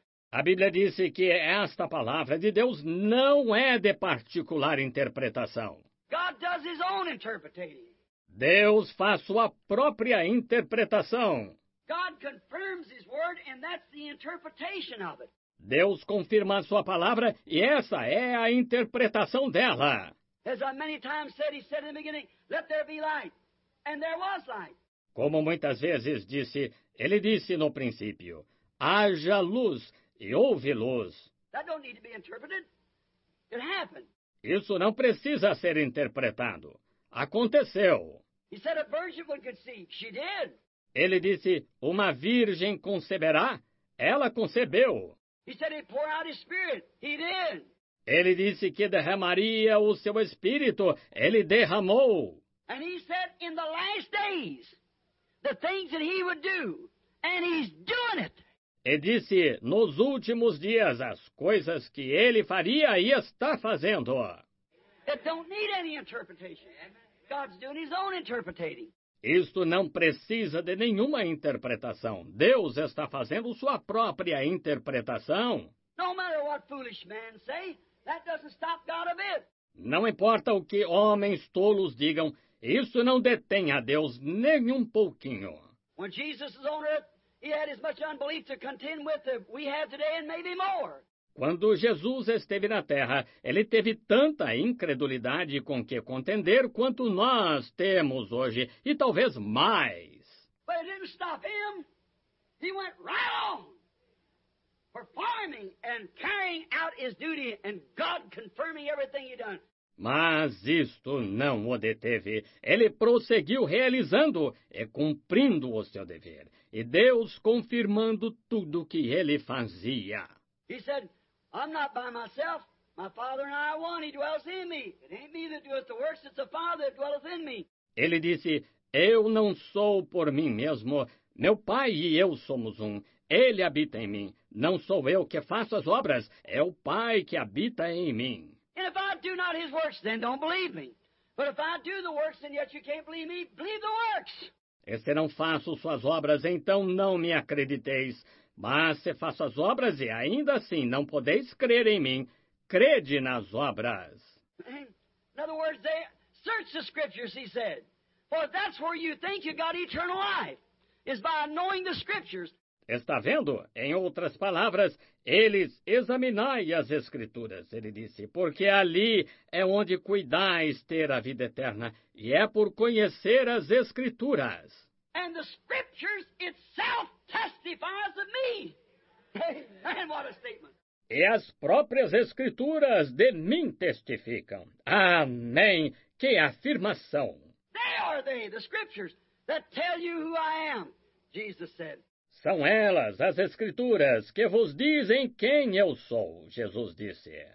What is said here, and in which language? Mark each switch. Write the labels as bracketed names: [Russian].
[Portuguese] A Bíblia disse que esta palavra de Deus não é de particular interpretação. [English] God does his own interpretation. [Portuguese] Deus faz sua própria interpretação. [English] God confirms his word, and that's the interpretation of it. [Portuguese] Deus confirma a sua palavra e essa é a interpretação dela. [English] As I many times said, he said in the beginning, "Let there be light." And there was light. [Portuguese] Como muitas vezes disse, ele disse no princípio, "Haja luz e houve luz." [English] That don't need to be interpreted. It happened. [Portuguese] Isso não precisa ser interpretado. Aconteceu. [English] He said a virgin would conceive. She did. [Portuguese] Ele disse, uma virgem conceberá. Ela concebeu. [English] He said he'd pour out his spirit. He did. [Portuguese] Ele disse que derramaria o seu espírito. Ele derramou. [English] And he said in the last days, the things that he would do. And he's doing it. [Portuguese] E disse, nos últimos dias, as coisas que ele faria e está fazendo. [English] It don't need any interpretation. God's doing his own interpreting. [Portuguese] Isto não precisa de nenhuma interpretação. Deus está fazendo sua própria interpretação. [English] No matter what foolish men say, that doesn't stop God a bit. [Portuguese] Não importa o que homens tolos digam, isso não detém a Deus nem um pouquinho. [English] When Jesus was on earth, he had as much unbelief to contend with as we have today and maybe more. [Portuguese] Quando Jesus esteve na terra, ele teve tanta incredulidade com que contender quanto nós temos hoje, e talvez mais. [English] But it didn't stop him. He went right on, performing and carrying out his duty and God confirming everything he done. [Portuguese] Mas isto não o deteve. Ele prosseguiu realizando e cumprindo o seu dever, e Deus confirmando tudo o que ele fazia. [English] He said, "I'm not by myself. My Father and I are one. He dwells in me. It ain't me that doeth the works, it's the Father that dwelleth in me." [Portuguese] Ele disse, "Eu não sou por mim mesmo. Meu Pai e eu somos um. Ele habita em mim. Não sou eu que faço as obras, é o Pai que habita em mim. E se eu não faço as obras, então não acredite. Mas se eu faço as obras, ainda não acredite, acredite as obras. E se não faço suas obras, então não me acrediteis. Mas se faço as obras e ainda assim não podeis crer em mim, crede nas obras. [English] In other words, they search the scriptures, he said. For that's where you think you got eternal life, is by knowing the scriptures. [Portuguese] Está vendo? Em outras palavras, eles examinai as escrituras, ele disse, porque ali é onde cuidais ter a vida eterna, e é por conhecer as escrituras. [English] And the scriptures itself testifies of me. And what a statement. [Portuguese] E as próprias escrituras de mim testificam. Amém! Que afirmação! [English] They are they, the scriptures, that tell you who I am, Jesus said. [Portuguese] São elas, as Escrituras, que vos dizem quem eu sou, Jesus disse.